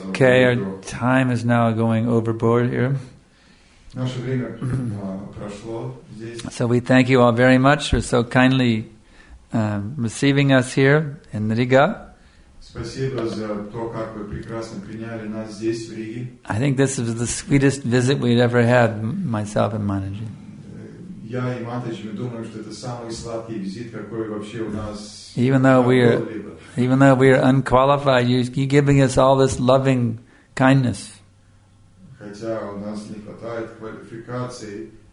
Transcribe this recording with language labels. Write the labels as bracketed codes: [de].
[en] Okay, our time is now going overboard here. [ru] Наше время прошло здесь. [en] So we thank you all very much for so kindly receiving us here in Riga. [ru] Спасибо за то, как вы прекрасно приняли нас здесь, в Риге. [en] I think this is the sweetest visit we'd ever had, myself and Mataji. [ru] Я и Матаджи, мы думаем, что это самый сладкий визит, какой вообще у нас. [en] Even though we are unqualified, you're giving us all this loving kindness. [ru] Хотя у нас не хватает квалификации,